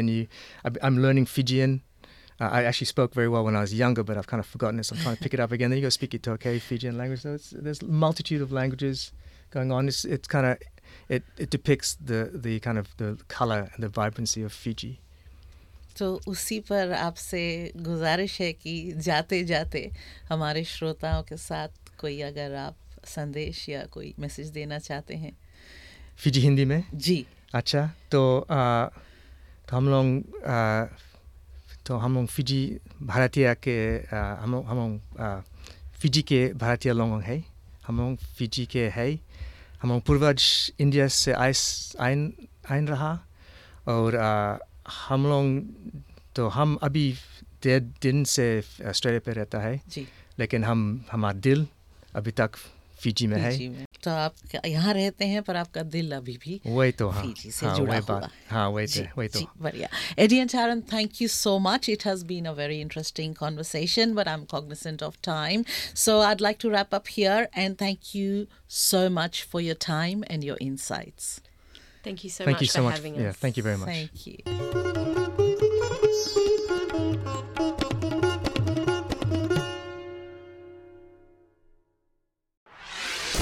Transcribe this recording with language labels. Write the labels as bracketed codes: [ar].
[en] Then I'm learning Fijian. I actually spoke very well when I was younger, but I've kind of forgotten it, so I'm trying to pick it up again. Then you go speak Itoke, Fijian language. So there's a multitude of languages going on. It depicts the kind of the color and the vibrancy of Fiji. [hi] तो उसी पर आपसे गुजारिश है कि जाते जाते हमारे श्रोताओं के साथ कोई अगर आप संदेश या कोई मैसेज देना चाहते हैं फिजी हिंदी में जी अच्छा तो हम लोग फिजी भारतीय के हम लोग फिजी के भारतीय लोग हैं हम लोग फिजी के हैं हम लोग पूर्वज इंडिया से आयन रहा और हम लोग तो हम अभी डेढ़ दिन से ऑस्ट्रेलिया पे रहता है जी लेकिन हमारा दिल अभी तक फिजी में है तो आप यहाँ रहते हैं पर आपका दिल अभी भी वही तो हाँ फिजी से जुड़ा हुआ हाँ वही तो वही तो [en] बढ़िया एडियन चारन thank you so much it has been a very interesting conversation but I am cognisant of time so I'd like to wrap up here and thank you so much for your time and your insights Thank you so much for having us. Yeah, thank you very much.